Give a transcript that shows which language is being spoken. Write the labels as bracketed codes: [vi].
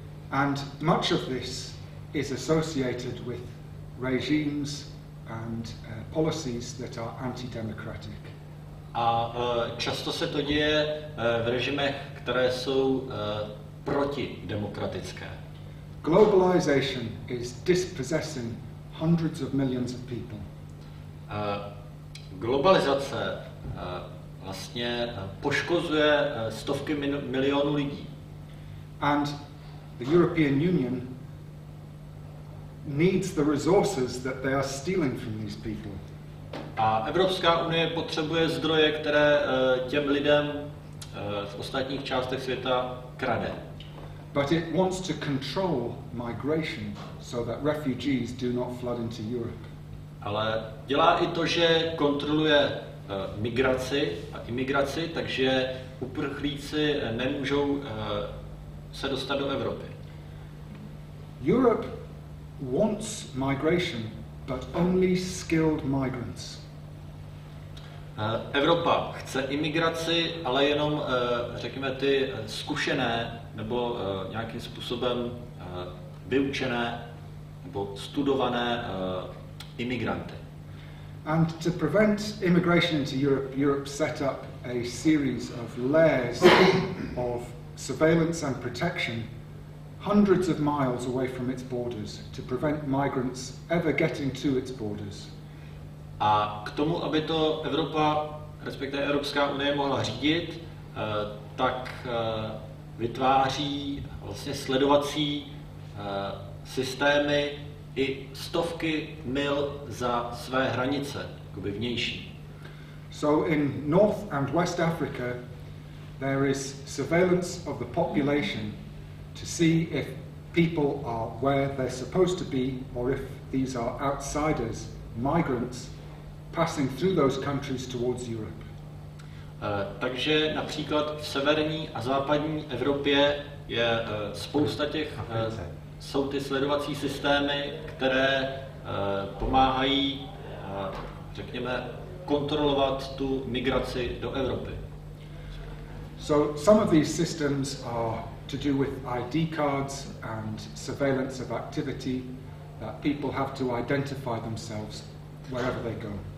[en] And much of this is associated with regimes and policies that are anti-democratic. [cs] A často se to děje v režimech, které jsou protidemokratické. [en] Globalization is dispossessing hundreds of millions of people. [cs] Globalizace vlastně poškozuje stovky milionů lidí. [en] And the European Union needs the resources that they are stealing from these people. [cs] A Evropská unie potřebuje zdroje, které těm lidem v ostatních částech světa krade. [en] But it wants to control migration so that refugees do not flood into Europe. [cs] Ale dělá i to, že kontroluje migraci a imigraci, takže uprchlíci nemůžou se dostat do Evropy. [en] Europe wants migration, but only skilled migrants. [cs] Evropa chce imigraci, ale jenom řekněme ty zkušené nebo nějakým způsobem vyučené nebo studované imigranty. [en] And to prevent immigration into Europe, Europe set up a series of layers of surveillance and protection hundreds of miles away from its borders to prevent migrants ever getting to its borders. [cs] A k tomu, aby to Evropa, respektive Evropská unie, mohla řídit, tak vytváří vlastně sledovací systémy i stovky mil za své hranice, jakoby vnější. [en] So in North and West Africa there is surveillance of the population to see if people are where they're supposed to be or if these are outsiders, migrants passing through those countries towards Europe. [cs] Takže například v severní a západní Evropě je spousta těch jsou ty sledovací systémy, které pomáhají řekněme kontrolovat tu migraci do Evropy. [en] So some of these systems are to do with ID cards and surveillance of activity that people have to identify themselves wherever they go.